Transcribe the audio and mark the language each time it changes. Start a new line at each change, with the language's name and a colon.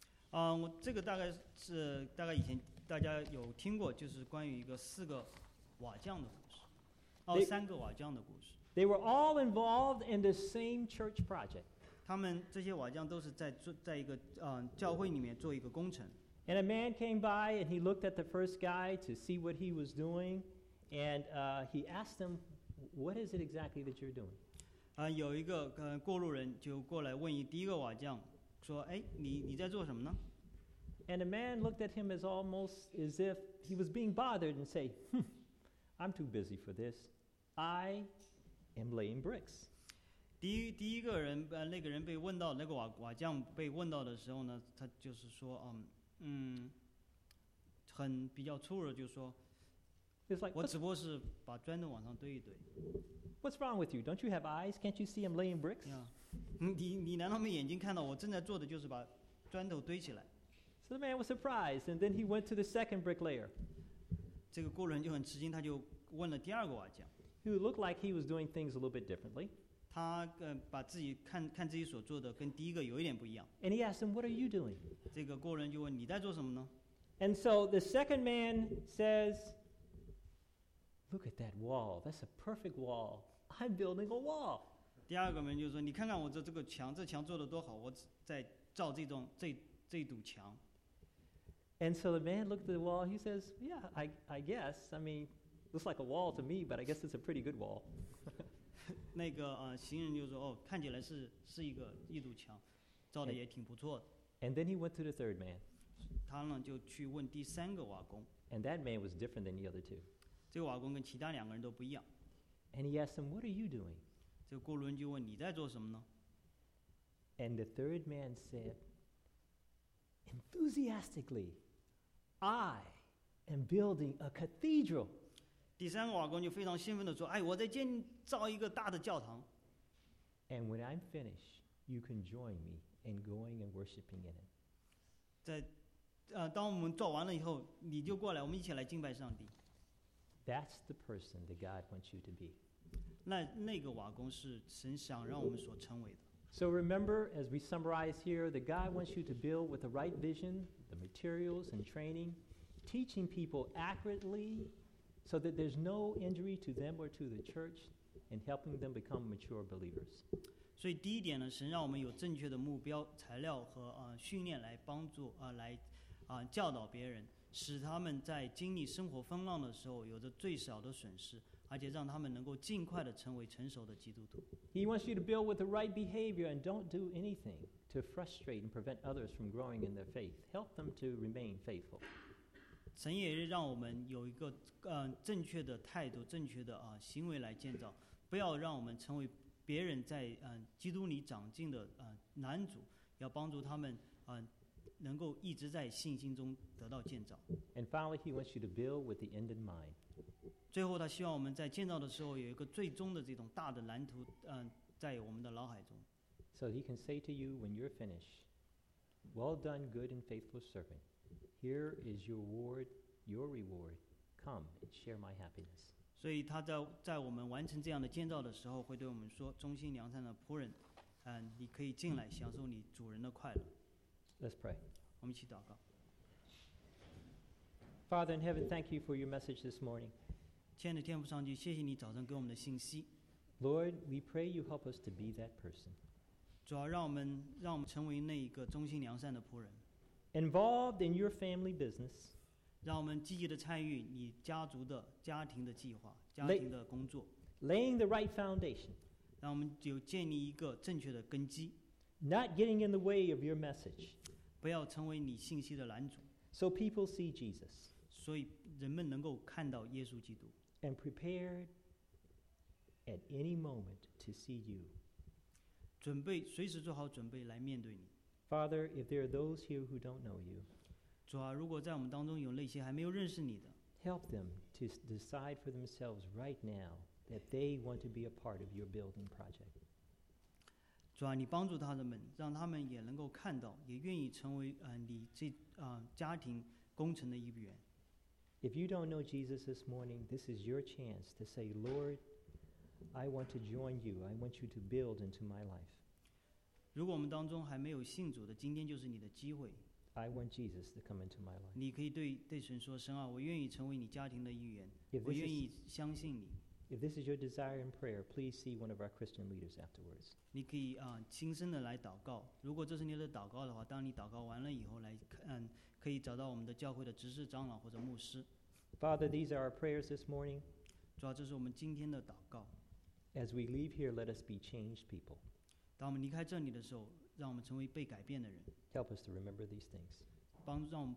Chinese: 我这个大概以前大家有听过，就是关于一个四个瓦匠的故事，三个瓦匠的故事。
English: They were all involved in the same church project.
Chinese: 他们这些瓦匠都是在一个教会里面做一个工程。
English: And a man came by and he looked at the first guy to see what he was doing, and he asked him, "What is it exactly that you're doing?"
Chinese: 有一个过路人就过来问第一个瓦匠。说，你在做什么呢？
English: And a man looked at him as almost as if he was being bothered and say, I'm too busy for this. I am laying bricks.
Chinese: 第一个人那个人被问到，那个瓦匠被问到的时候呢，他就是说，很比较粗鲁，就说，
English: It's like,
Chinese: 我只不过是把砖头往上堆一堆。
English: What's wrong with you? Don't you have eyes? Can't you see I'm laying bricks? Yeah.
Chinese: 你难道没眼睛看到我正在做的就是把砖头堆起来？
English: So the man was surprised, and then he went to the second bricklayer.
Chinese: 这个过路人就很吃惊，他就问了第二个瓦匠。
English: Who looked like he was doing things a little bit differently.
Chinese: 他把自己看自己所做的跟第一个有一点不一样。
English: And he asked him, "What are you doing?"
Chinese: 这个过路人就问你在做什么呢？
English: And so the second man says, Look at that wall. That's a perfect wall. I'm building a wall.
Chinese: 第二个门就是说，你看看我这个墙，这墙做的多好，我在造这堵墙。
English: And so the man looked at the wall. He says, "Yeah, I guess. I mean, looks like a wall to me, but I guess it's a pretty good wall."
Chinese: 那个行人就说，哦，看起来是一堵墙，造的也挺不错的。
English: And then he went to the third man.
Chinese: 他呢就去问第三个瓦工。
English: And that man was different than the other two.
Chinese: 这个瓦工跟其他两个人都不一样。
English: And he asked him, "What are you doing?"
Chinese: 这个过路人就问你在做什么呢？
English: And the third man said, "Enthusiastically, I am building a cathedral."
Chinese: 第三个瓦工就非常兴奋地说，哎，我在建造一个大的教堂。
English: And when I'm finished, you can join me in going and worshiping in it.
Chinese: 当我们做完了以后，你就过来，我们一起来敬拜上帝。
English: That's the person that God wants you to be.
Chinese: 那个瓦工是神想让我们所成为的。
English: So remember, as we summarize here, that God wants you to build with the right vision, the materials and training, teaching people accurately so that there's no injury to them or to the church, and helping them become mature believers.
Chinese: 所以第一点呢，神让我们有正确的目标、材料和训练来帮助教导别人，使他们在经历生活风浪的时候有着最少的损失，而且让他们能够尽快的成为成熟的基督徒。
English: He wants you to build with the right behavior and don't do anything to frustrate and prevent others from growing in their faith. Help them to remain faithful.
Chinese: 神也让我们有一个正确的态度、正确的行为来建造，不要让我们成为别人在基督里长进的难主，要帮助他们能够一直在信心中得到建造。
English: And finally, he wants you to build with the end in mind.
Chinese: 最后，他希望我们在建造的时候有一个最终的这种大的蓝图，在我们的脑海中。
English: So he can say to you when you're finished, "Well done, good and faithful servant. Here is your reward. Your reward. Come and share my happiness."
Chinese: 所以他在我们完成这样的建造的时候，会对我们说：“忠心良善的仆人，你可以进来享受你主人的快乐。”
English: Let's pray.
Chinese: 我们一起祷告。
English: Father in heaven, thank you for your message this morning.
Chinese: 亲爱的天父上帝，谢谢你早上给我们的信息。
English: Lord, we pray you help us to be that person.
Chinese: 主要让我们成为那一个忠心良善的仆人。
English: Involved in your family business.
Chinese: 让我们积极的参与你家族的家庭的计划，家庭的工作。
English: Laying the right foundation.
Chinese: 让我们有建立一个正确的根基。
English: Not getting in the way of your message.
Chinese: 不要成为你信息的拦阻。
English: So people see Jesus.
Chinese: 所以人们能够看到耶稣基督。
English: And prepared at any moment to see you.
Chinese: 准备，随时做好准备来面对你。
English: Father, if there are those here who don't know you,
Chinese: 主啊，如果在我们当中有那些还没有认识你的，
English: help them to decide for themselves right now that they want to be a part of your building project.
Chinese: 主啊，你帮助他们，让他们也能够看到，也愿意成为你这家庭工程的一员。
English: If you don't know Jesus this morning, this is your chance to say, "Lord, I want to join you. I want you to build into my life."
Chinese: 如果我们当中还没有信主的，今天就是你的机会。
English: I want Jesus to come into my life.
Chinese: 你可以对神说，神啊，我愿意成为你家庭的一员，我愿意相信你。
English: If this is your desire and prayer, please see one of our Christian leaders afterwards.
Chinese: 你可以轻声的来祷告。如果这是你的祷告的话，当你祷告完了以后来看，可以找到我们的教会的执事长老或者牧师。
English: Father, these are our prayers this morning.
Chinese: 主要这是我们今天的祷告。
English: As we leave here, let us be changed people.
Chinese: 当我们离开这里的时候，让我们成为被改变的人。
English: Help us to remember these things.